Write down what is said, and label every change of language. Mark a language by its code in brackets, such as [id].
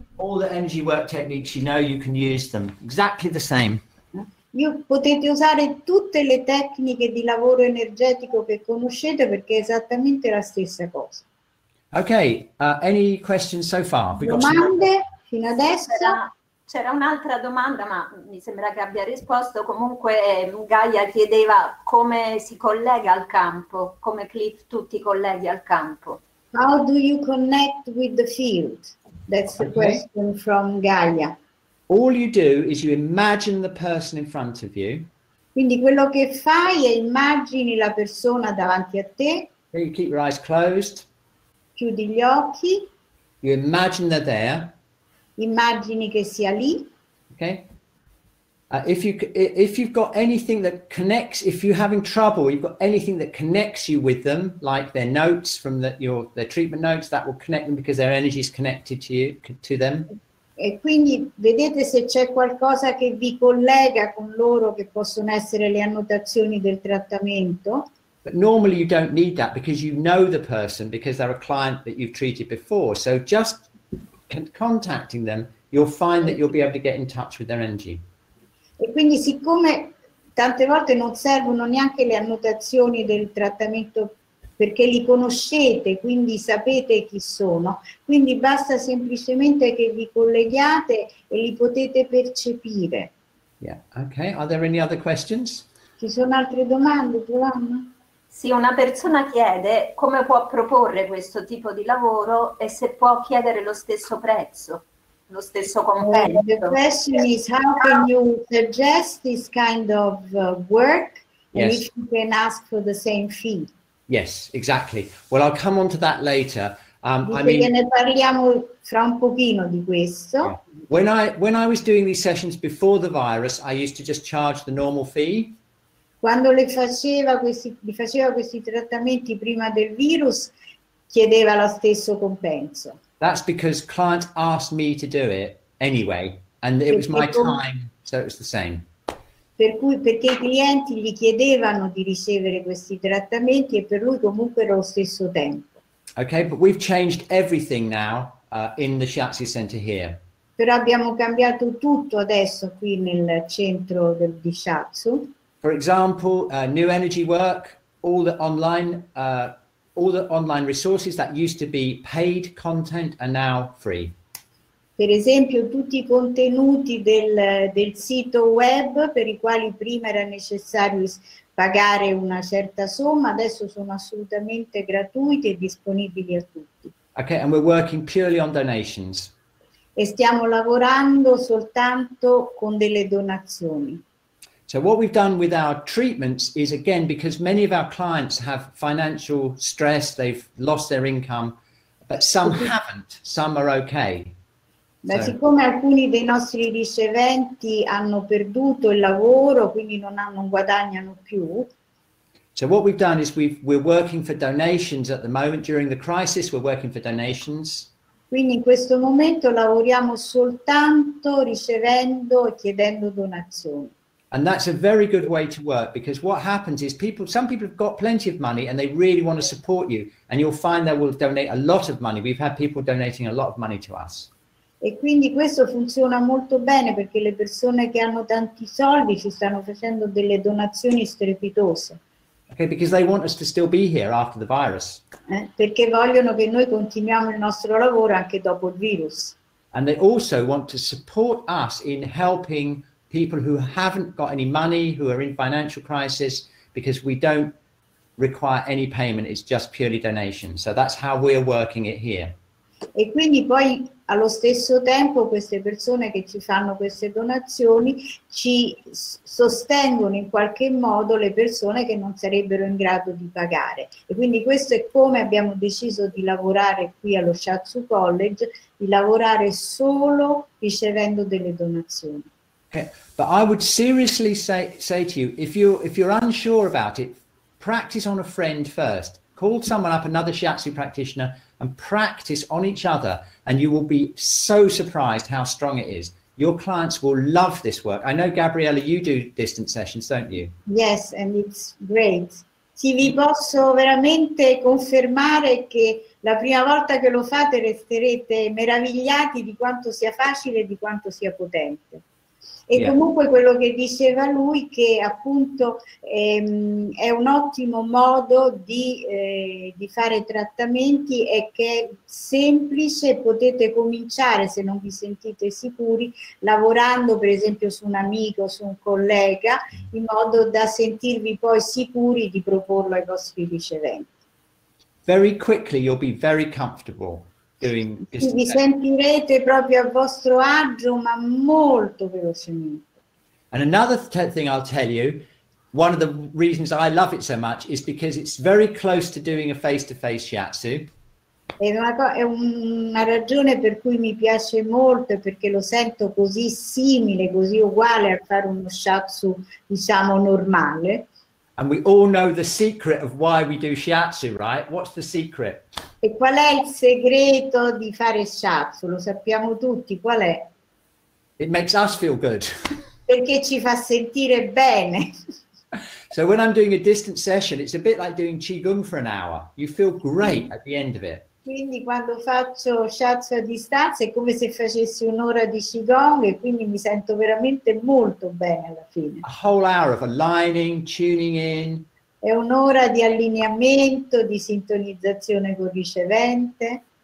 [en] All the energy work techniques, you know you can use them. Exactly the same. [it] Io potete usare tutte le tecniche di lavoro energetico che conoscete perché è esattamente la stessa cosa. [en] Ok, any questions so far? [it] We domande some... fino adesso? C'era un'altra domanda, ma mi sembra che abbia risposto. Comunque Gaia chiedeva come si collega al campo, come Cliff tu ti colleghi al campo. [en] How do you connect with the field? That's the question from Gaia. All you do is you imagine the person in front of you. [it] Quindi quello che fai è immagini la persona davanti a te. [en] Then you keep your eyes closed. [it] Chiudi gli occhi. [en] You imagine they're there. [it] Immagini che sia lì. [en] Okay. If you've got anything that connects, if you're having trouble, you've got anything that connects you with them, like their notes from their treatment notes, that will connect them because their energy is connected to you, to them. [it] E quindi vedete se c'è qualcosa che vi collega con loro, che possono essere le annotazioni del trattamento. [en] But normally you don't need that because you know the person, because they're a client that you've treated before. So just contacting them, you'll find that you'll be able to get in touch with their energy. [it] E quindi siccome tante volte non servono neanche le annotazioni del trattamento perché li conoscete, quindi sapete chi sono. Quindi basta semplicemente che vi colleghiate e li potete percepire. [en] Yeah, okay. Are there any other questions? [it] Ci sono altre domande, Giovanna? Sì, una persona chiede come può proporre questo tipo di lavoro e se può chiedere lo stesso prezzo, lo stesso compenso. [en] The question is how can you suggest this kind of work and if you can ask for the same fee? Yes, exactly. Well, I'll come on to that later. [it] Ne parliamo fra un pochino di questo. [en] When I was doing these sessions before the virus, I used to just charge the normal fee. [it] Quando li faceva questi trattamenti prima del virus, chiedeva lo stesso compenso. [en] That's because clients asked me to do it anyway, and it was my time, so it was the same. [it] Perché i clienti gli chiedevano di ricevere questi trattamenti e per lui comunque era lo stesso tempo. [en] Okay, but we've changed everything now in the Shiatsu Center here. [it] Però abbiamo cambiato tutto adesso qui nel centro di Shiatsu. [en] For example, new energy work, all the online resources that used to be paid content are now free. [it] Per esempio, tutti i contenuti del sito web per i quali prima era necessario pagare una certa somma, adesso sono assolutamente gratuiti e disponibili a tutti. [en] Okay, and we're working purely on donations. [it] E stiamo lavorando soltanto con delle donazioni. [en] So what we've done with our treatments is, again, because many of our clients have financial stress, they've lost their income, but some haven't, some are okay. [it] Ma siccome alcuni dei nostri riceventi hanno perduto il lavoro, quindi non guadagnano più. [en] So what we've done is we're working for donations at the moment. During the crisis, we're working for donations. [it] Quindi in questo momento lavoriamo soltanto ricevendo e chiedendo donazioni. [en] And that's a very good way to work, because what happens is some people have got plenty of money and they really want to support you, and you'll find they will donate a lot of money. We've had people donating a lot of money to us. [it] E quindi questo funziona molto bene perché le persone che hanno tanti soldi ci stanno facendo delle donazioni strepitose. [en] Okay, because they want us to still be here after the virus. [it] Perché vogliono che noi continuiamo il nostro lavoro anche dopo il virus. [en] And they also want to support us in helping people who haven't got any money, who are in financial crisis, because we don't require any payment, it's just purely donation. So that's how we're working it here. [it] E quindi poi allo stesso tempo queste persone che ci fanno queste donazioni ci sostengono in qualche modo le persone che non sarebbero in grado di pagare. E quindi questo è come abbiamo deciso di lavorare qui allo Shiatsu College, di lavorare solo ricevendo delle donazioni. [en] Okay. But I would seriously say to you, if you're unsure about it, practice on a friend first. Call someone up, another Shiatsu practitioner, and practice on each other, and you will be so surprised how strong it is. Your clients will love this work. I know, Gabriella, you do distance sessions, don't you? Yes, and it's great. [it] Sì, vi posso veramente confermare che la prima volta che lo fate resterete meravigliati di quanto sia facile e di quanto sia potente. E yeah, comunque quello che diceva lui, che appunto è un ottimo modo di fare trattamenti, è che è semplice, potete cominciare se non vi sentite sicuri, lavorando per esempio su un amico, su un collega, in modo da sentirvi poi sicuri di proporlo ai vostri riceventi. [en] Very quickly you'll be very comfortable. Doing distance. [it] Vi sentirete proprio a vostro agio, ma molto velocemente. [en] And another thing I'll tell you, one of the reasons I love it so much is because it's very close to doing a face-to-face shiatsu. [it] È una ragione per cui mi piace molto, perché lo sento così simile, così uguale a fare uno shiatsu, diciamo, normale. [en] And we all know the secret of why we do shiatsu, right? What's the secret? [it] E qual è il segreto di fare shiatsu? Lo sappiamo tutti, qual è? [en] It makes us feel good. [it] Perché ci fa sentire bene. [en] So when I'm doing a distance session, it's a bit like doing qigong for an hour. You feel great at the end of it. [it] Quindi quando faccio shiatsu a distanza è come se facessi un'ora di qigong, e quindi mi sento veramente molto bene alla fine. [en] A whole hour of aligning, tuning in. [it] È un'ora di allineamento, di sintonizzazione col ricevente.